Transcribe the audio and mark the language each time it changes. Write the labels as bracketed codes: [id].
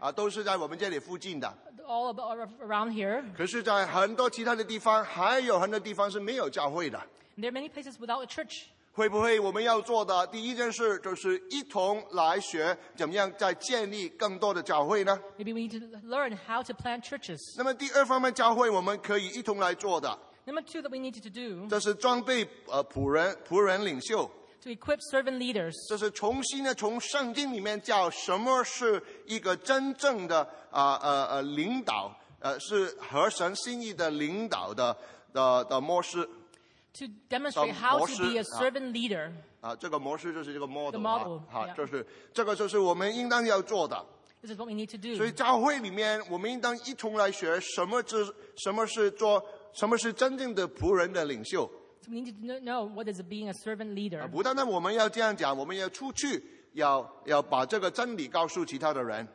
[zh] 都是在我们这里附近的。 [en] All around here. [zh] 可是在很多其他的地方，还有很多地方是没有教会的。 [en] There are many places without a church. [zh] 会不会我们要做的第一件事就是一同来学怎么样再建立更多的教会呢？ [en] Maybe we need to learn how to plant churches. [zh] 那么第二方面教会我们可以一同来做的。 [en] Number two that we need to do. [zh] 这是装备仆人领袖。 [en] To equip servant leaders. [zh] 这是重新的从圣经里面教什么是一个真正的领导，是合神心意的领导的模式。 [en] To demonstrate how to be a servant leader. [zh] 这个模式就是这个 model. [en] The model. [zh] 就是这个就是我们应当要做的。 [en] This is what we need to do. [zh] 所以教会里面，我们应当一同来学什么是做什么是真正的仆人的领袖。 [en] So we need to know what is being a servant leader. [zh] 不单单我们要这样讲，我们要出去，要把这个真理告诉其他的人。